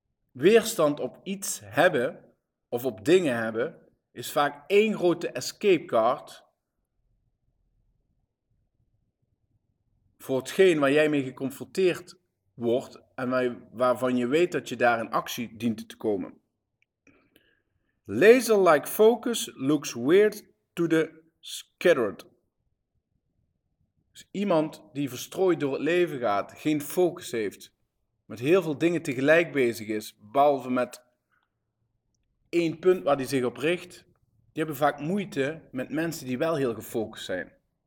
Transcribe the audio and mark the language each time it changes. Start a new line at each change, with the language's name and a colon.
Dutch: Weerstand op iets hebben, of op dingen hebben, is vaak één grote escape card voor hetgeen waar jij mee geconfronteerd wordt en waarvan je weet dat je daar in actie dient te komen.
English: Laser-like focus looks weird to the scattered.
Dutch: Dus iemand die verstrooid door het leven gaat, geen focus heeft, met heel veel dingen tegelijk bezig is, behalve met één punt waar hij zich op richt, die hebben vaak moeite met mensen die wel heel gefocust zijn.